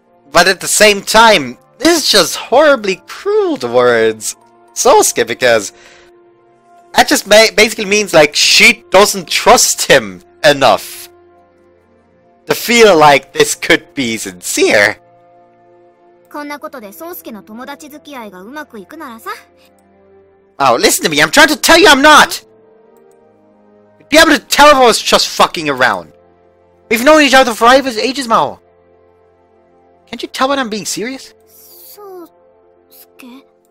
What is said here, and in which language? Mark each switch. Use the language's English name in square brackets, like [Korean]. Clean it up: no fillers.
[English] But at the same time, this is just horribly cruel towards Sosuke because that just basically means, like, she doesn't trust him enough to feel like this could be sincere. [Japanese] こんなことでソウスケの友達付き合いがうまくいくならさ。 [English] Oh, listen to me, I'm trying to tell you I'm not! You'd be able to tell if I was just fucking around. We've known each other for ages, Maho. Can't you tell when I'm being serious? Sosuke?